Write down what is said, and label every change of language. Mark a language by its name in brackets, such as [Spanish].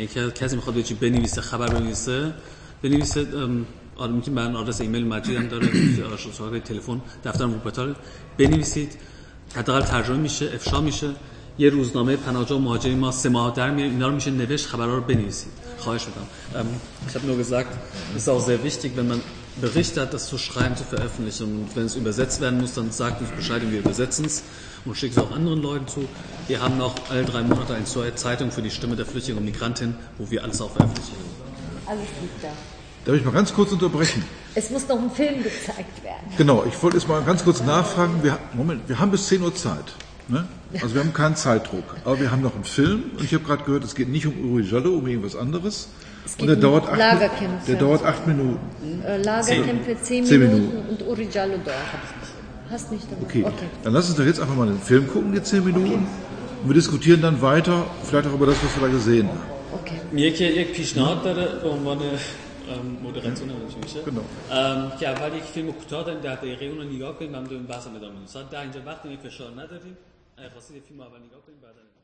[Persian] یکی از کسی میخواد یه چیزی بنویسه، خبر بنویسه، بنویسه آدم میتونه برن آدرس ایمیل مجید هم داره، شماره تلفن دفتر موپتال بنویسید، حداقل ترجمه میشه، افشا میشه. یه روزنامه پناهجو مهاجری ما سه ماه در میاد، اینا رو میشه نوشت، خبرها رو بنویسید. خواهش میکنم. [German] Ich habe nur gesagt, es ist auch sehr wichtig, wenn man Berichte hat, das zu schreiben, zu veröffentlichen, und wenn es übersetzt werden muss, dann sagt uns Bescheid, wir übersetzen es und schickt es auch anderen Leuten zu. Wir haben noch alle drei Monate eine neue Zeitung für die Stimme der Flüchtlinge und Migrantin, wo wir alles auch veröffentlichen. Alles liegt da. Darf ich mal ganz kurz unterbrechen? Es muss noch ein Film gezeigt werden. Genau, ich wollte jetzt mal ganz kurz nachfragen. Wir haben bis 10 Uhr Zeit. Ne? Also wir haben keinen Zeitdruck. Aber wir haben noch einen Film. Und ich habe gerade gehört, es geht nicht um Uri Jalloh, um irgendwas anderes. Es geht und der um dauert Lagerkämpfe. Der dauert 8 Minuten. Lagerkämpfe 10 Minuten. Und Uri Jalloh dauert. Hast nicht dabei. Okay. Dann lass uns doch jetzt einfach mal den Film gucken, die 10 Minuten. Okay. Und wir diskutieren dann weiter, vielleicht auch über das, was wir da gesehen haben. Okay. Mir geht ein bisschen nachher, um meine [Persian] مدرنسون همونش میشه که اول یک فیلم کوتاه داریم در دقیقه اون رو نگاه کنیم و هم داریم بحث هم ادامه میدیم ساعت در اینجا وقتی فشار نداریم اگر خواستید فیلم اول نگاه کنیم بعد نگاه کنیم